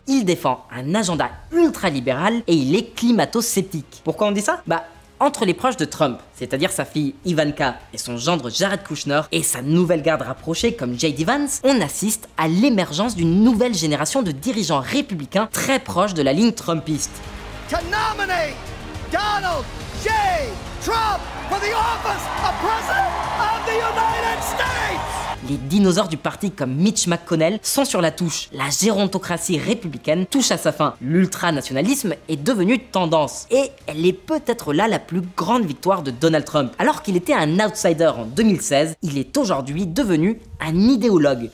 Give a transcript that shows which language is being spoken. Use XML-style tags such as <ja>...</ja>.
<fr>Il défend un agenda ultra-libéral et il est climato-sceptique. Pourquoi on dit ça ? Bah, entre les proches de Trump, c'est-à-dire sa fille Ivanka et son gendre Jared Kushner, et sa nouvelle garde rapprochée comme J.D. Vance, on assiste à l'émergence d'une nouvelle génération de dirigeants républicains très proches de la ligne trumpiste.</fr> <en>To nominate Donald J. Trump for the office of President of the United States.</en> <fr>Les dinosaures du parti comme Mitch McConnell sont sur la touche. La gérontocratie républicaine touche à sa fin. L'ultranationalisme est devenu tendance. Et elle est peut-être là la plus grande victoire de Donald Trump. Alors qu'il était un outsider en 2016, il est aujourd'hui devenu un idéologue.</fr>